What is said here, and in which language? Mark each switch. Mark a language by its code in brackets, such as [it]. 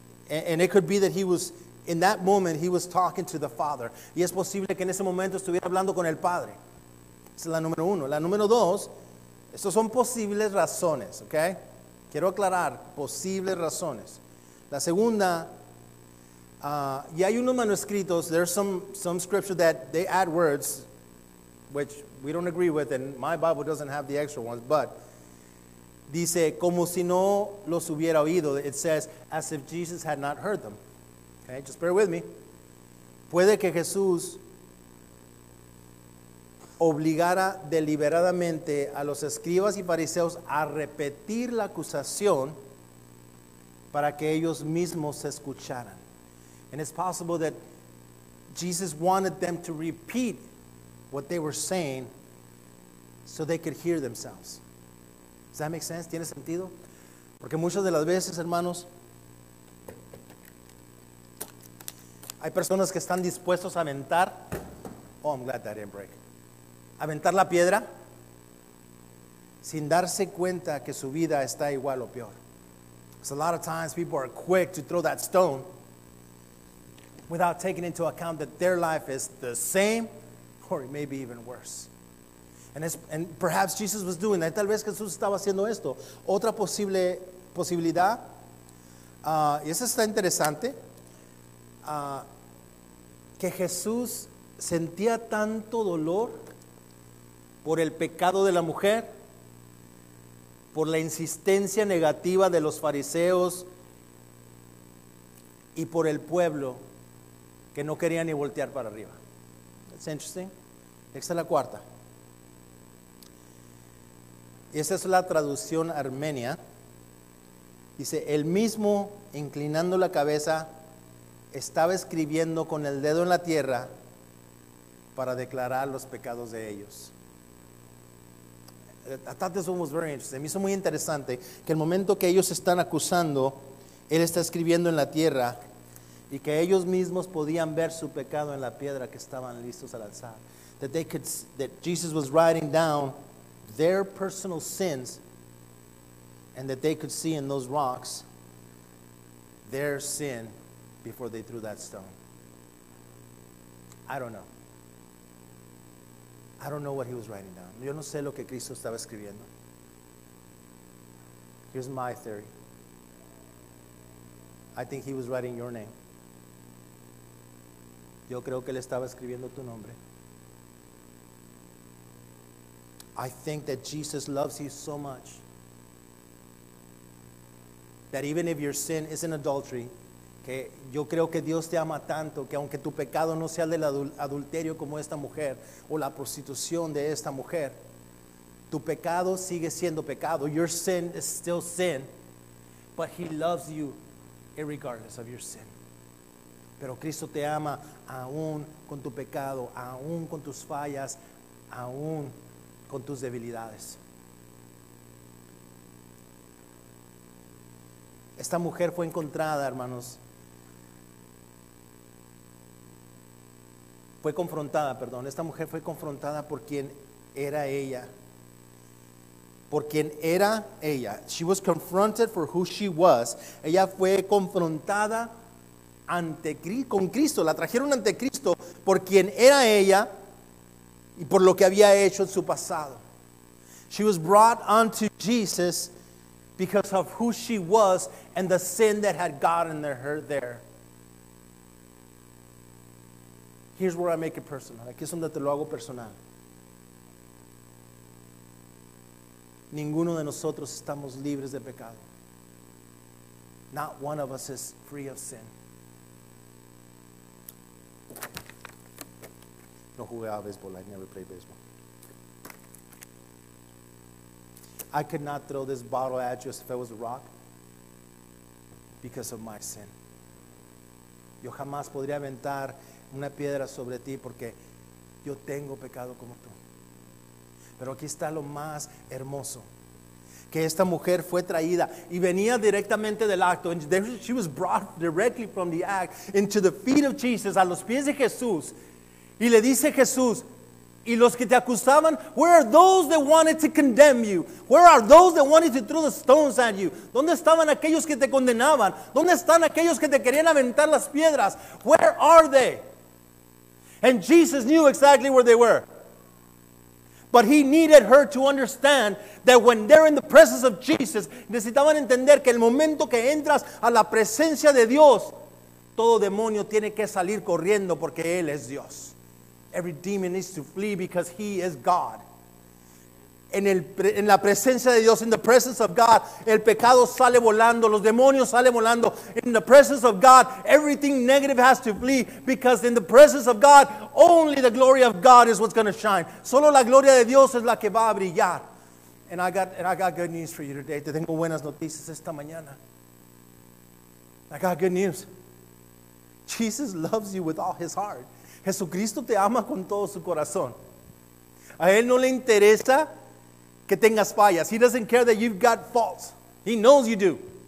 [en] And it could be that he was, in that moment, he was talking to the Father. [es] Y es posible que en ese momento estuviera hablando con el Padre. Esa es la número uno. La número dos, estos son posibles razones, ¿ok? Quiero aclarar, posibles razones. La segunda, y hay unos manuscritos, [en] there's some scripture that they add words, which we don't agree with, and my Bible doesn't have the extra ones, but [es] dice, como si no los hubiera oído. [en] It says, as if Jesus had not heard them. Okay, just bear with me. [es] Puede que Jesús obligara deliberadamente a los escribas y fariseos a repetir la acusación para que ellos mismos se escucharan. [en] And it's possible that Jesus wanted them to repeat what they were saying so they could hear themselves. Does that make sense? [es] ¿Tiene sentido? Porque muchas de las veces, hermanos, hay personas que están dispuestos a aventar. [en] Oh, I'm glad that didn't break. [es] Aventar la piedra sin darse cuenta que su vida está igual o peor. [en] Because a lot of times people are quick to throw that stone without taking into account that their life is the same or maybe even worse. And perhaps Jesus was doing that. [es] Tal vez Jesús estaba haciendo esto. Otra posible posibilidad, y eso está interesante, que Jesús sentía tanto dolor por el pecado de la mujer, por la insistencia negativa de los fariseos y por el pueblo que no quería ni voltear para arriba. [en] That's interesting. [es] Esta es la cuarta. Y esa es la traducción armenia. Dice, el mismo inclinando la cabeza estaba escribiendo con el dedo en la tierra para declarar los pecados de ellos. [en] I thought this one was very interesting. [es] Me hizo muy interesante que el momento que ellos están acusando, él está escribiendo en la tierra y que ellos mismos podían ver su pecado en la piedra que estaban listos al alzar. [en] That Jesus was writing down their personal sins and that they could see in those rocks their sin before they threw that stone. I don't know what he was writing down. [es] Yo no sé lo que Cristo estaba escribiendo. [en] Here's my theory. I think he was writing your name. [es] Yo creo que él estaba escribiendo tu nombre. [en] I think that Jesus loves you so much that even if your sin isn't adultery, [es] que yo creo que Dios te ama tanto que aunque tu pecado no sea el del adulterio como esta mujer o la prostitución de esta mujer, tu pecado sigue siendo pecado. [en] Your sin is still sin, but he loves you irregardless of your sin. [es] Pero Cristo te ama aún con tu pecado, aún con tus fallas, aún con tus debilidades. Esta mujer fue encontrada, hermanos, esta mujer fue confrontada por quien era ella. Por quien era ella. [en] She was confronted for who she was. [es] Ella fue confrontada ante con Cristo. La trajeron ante Cristo por quien era ella y por lo que había hecho en su pasado. [en] She was brought unto Jesus because of who she was and the sin that had gotten her there. Here's where I make it personal. [es] Aquí es donde te lo hago personal. Ninguno de nosotros estamos libres de pecado. [en] Not one of us is free of sin. [es] No jugaba baseball. [en] I never played baseball. I could not throw this bottle at you if it was a rock because of my sin. [es] Yo jamás podría aventar una piedra sobre ti porque yo tengo pecado como tú. Pero aquí está lo más hermoso. Que esta mujer fue traída y venía directamente del acto. [en] And she was brought directly from the act into the feet of Jesus, [es] a los pies de Jesús. Y le dice Jesús, y los que te acusaban, [en] where are those that wanted to condemn you? Where are those that wanted to throw the stones at you? [es] ¿Dónde estaban aquellos que te condenaban? ¿Dónde están aquellos que te querían aventar las piedras? [en] Where are they? And Jesus knew exactly where they were. But he needed her to understand that when they're in the presence of Jesus, [es] necesitaban entender que el momento que entras a la presencia de Dios, todo demonio tiene que salir corriendo porque Él es Dios. [en] Every demon needs to flee because He is God. [es] En la presencia de Dios, [en] in the presence of God, [es] el pecado sale volando, los demonios salen volando. [en] In the presence of God, everything negative has to flee because in the presence of God, only the glory of God is what's going to shine. [es] Solo la gloria de Dios es la que va a brillar. [en] And I got good news for you today. [es] Te tengo buenas noticias esta mañana. [en] I got good news. Jesus loves you with all His heart. [es] Jesucristo te ama con todo su corazón. A Él no le interesa que tengas fallas. [en] He doesn't care that you've got faults. He knows you do.